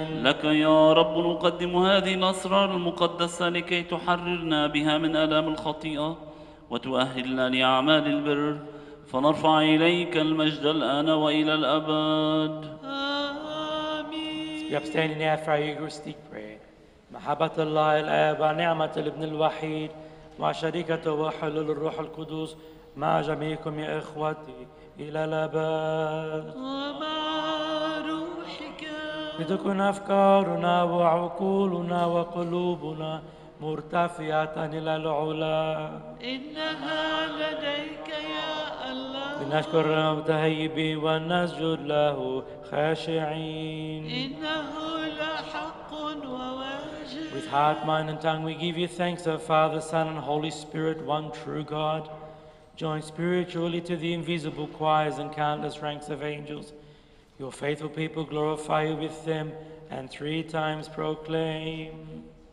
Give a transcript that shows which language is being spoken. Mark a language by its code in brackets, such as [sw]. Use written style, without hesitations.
[ar] لك يا رب نقدم هذه الأسرار المقدسة لكي تحررنا بها من آلام الخطيئة وتؤهلنا لأعمال البر فنرفع إليك المجد الآن وإلى الأبد. [en] Amen. We are standing now for our Eucharistic prayer. [ar] محبة الله الآب ونعمة الابن الوحيد وشركة وحلول الروح القدس مع جميعكم يا إخوتي إلى الأبد ومع روحك لتكون أفكارنا وعقولنا وقلوبنا مرتفعة إلى العلا إنها لديك يا الله لنشكر المتهيبين ونسجد له خاشعين إنه لحق وواجب [en] With heart, mind, and tongue we give you thanks, O Father, Son, and Holy Spirit, one true God. Join spiritually to the invisible choirs and countless ranks of angels. Your faithful people glorify you with them and three times proclaim.